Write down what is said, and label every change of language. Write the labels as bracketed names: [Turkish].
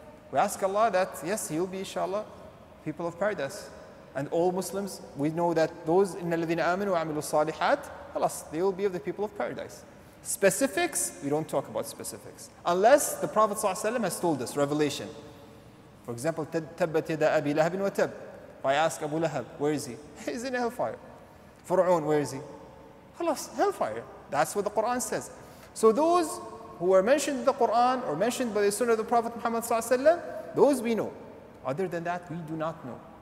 [English] We ask Allah that, yes, he'll be, inshallah, people of paradise. And all Muslims, we know that those in [Arabic] الَّذِينَ آمِنُوا وَعَمِلُوا الصَّالِحَاتِ [English] Allah, they will be of the people of paradise. Specifics, we don't talk about specifics. Unless the Prophet ﷺ has told us, revelation. For example, [Arabic] تَبَّتْ يَدَا أَبِي لَهَبٍ وَتَبْ. [English] If I ask Abu Lahab, where is he? He's in hellfire. Fir'aun, where is he? Allah, hellfire. That's what the Quran says. So those who are mentioned in the Quran or mentioned by the Sunnah of the Prophet Muhammad ﷺ, those we know. Other than that, we do not know.